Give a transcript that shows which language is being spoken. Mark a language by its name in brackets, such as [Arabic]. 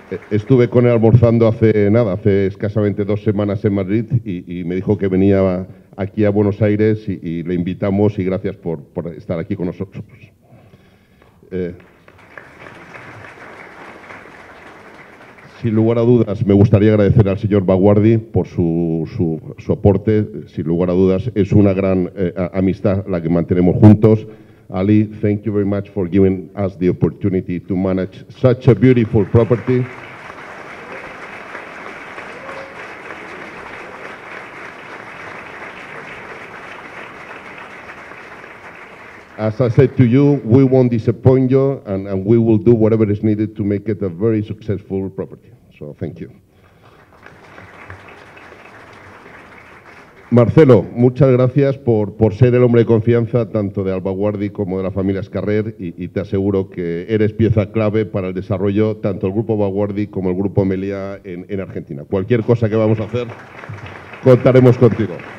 [Spanish] Estuve con él almorzando hace escasamente 2 semanas en Madrid y me dijo que venía aquí a Buenos Aires y le invitamos y gracias por estar aquí con nosotros. Sin lugar a dudas, me gustaría agradecer al señor Baguardi por su aporte. Sin lugar a dudas, es una gran amistad la que mantenemos juntos. [English] Ali, thank you very much for giving us the opportunity to manage such a beautiful property. As I said to you, we won't disappoint you and we will do whatever is needed to make it a very successful property. So thank you. [Spanish] Marcelo, muchas gracias por ser el hombre de confianza tanto de Alba Guardi como de la familia Escarrer y te aseguro que eres pieza clave para el desarrollo tanto del grupo Alba Guardi como el grupo Meliá en Argentina. Cualquier cosa que vamos a hacer, contaremos contigo.